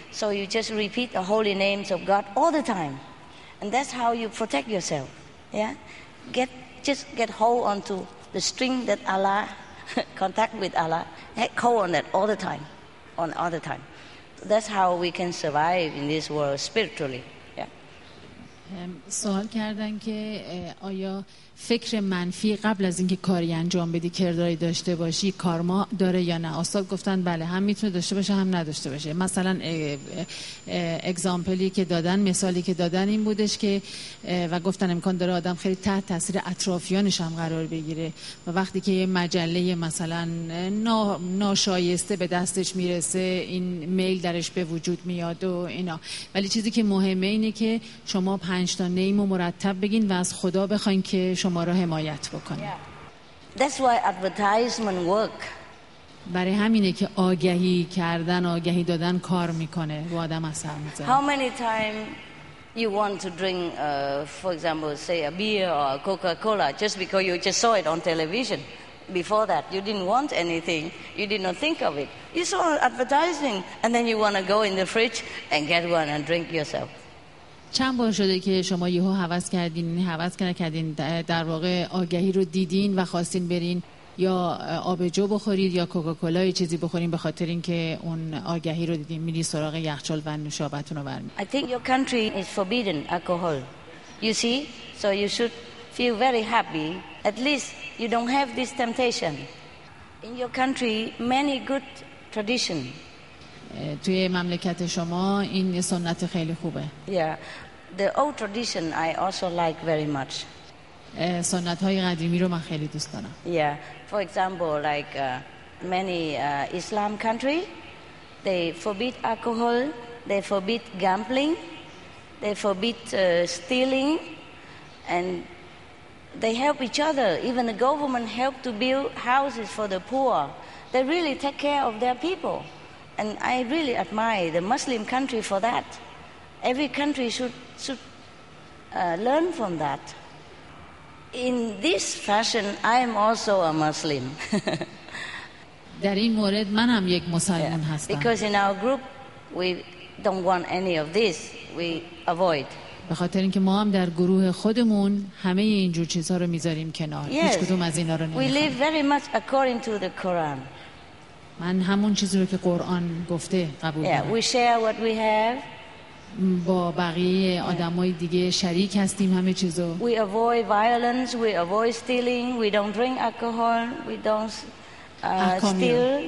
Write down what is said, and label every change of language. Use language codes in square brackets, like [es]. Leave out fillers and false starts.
[en] So you just repeat the holy names of God all the time. And that's how you protect yourself. Yeah? Just get hold onto the string that Allah, contact with Allah. Get hold on that all the time. That's how we can survive in this world spiritually. [fa] سوال کردن که آیا فکر منفی قبل از اینکه کاری انجام بدی کردار داشته باشی کارما داره یا نه استاد گفتن بله هم میتونه داشته باشه هم نداشته باشه مثلا اگزامپلی که دادن مثالی که دادن این بودش که و گفتن امکان داره آدم خیلی تحت تاثیر اطرافیانش هم قرار بگیره و وقتی که یه مجله مثلا ناشایسته به دستش میرسه این میل درش به وجود میاد و اینا ولی چیزی که مهمه اینه که شما 5 تا نیم و مرتب بگین و از خدا بخواین که شما را حمایت بکنه. [en] That's why advertisement work. [fa] برای همینه که آگهی کردن، آگهی دادن کار میکنه. رو آدم اثر میذاره. [en] How many time you want to drink for example say a beer or a Coca-Cola just because you just saw it on television. Before that you didn't want anything. You did not think of it. You saw advertising and then you want to go in the fridge and get one and drink yourself. [fa] چند بار شده که شما یهو حواس کردین در واقع آگهی رو دیدین و خواستین برین یا آبجو بخورید یا کوکاکولا یا چیزی بخورین به خاطر اینکه اون آگهی رو دیدین میری سراغ یخچال و نوشابتون رو برمی [en] I think your country is forbidden alcohol you see so you should feel very happy at least you don't have this temptation in your country many good tradition [fa] توی مملکت شما این سنت خیلی خوبه. [en] Yeah. The old tradition I also like very much. [fa] سنت‌های قدیمی رو من خیلی دوست دارم. [en] Yeah. For example, like many Islam country, they forbid alcohol, they forbid gambling, they forbid stealing and they help each other. Even the government help to build houses for the poor. They really take care of their people. And I really admire the Muslim country for that. Every country should learn from that. In this fashion, I am also a Muslim. [fa] در این مورد من هم یک مسلمان هستم. [en] Because in our group, we don't want any of this. We avoid. [fa] به خاطر اینکه ما هم در گروه خودمون همه اینجور چیزها رو میذاریم کنار. هیچ کدوم از اینا رو نمیخوایم. [en] We live very much according to the Quran. [fa] من همون چیزی رو که قرآن گفته قبول دارم. [en] Yeah, we share what we have. [fa] با بقیه آدمای دیگه شریک هستیم همه چیزو. [en] We avoid violence, we avoid stealing, we don't drink alcohol, we don't steal.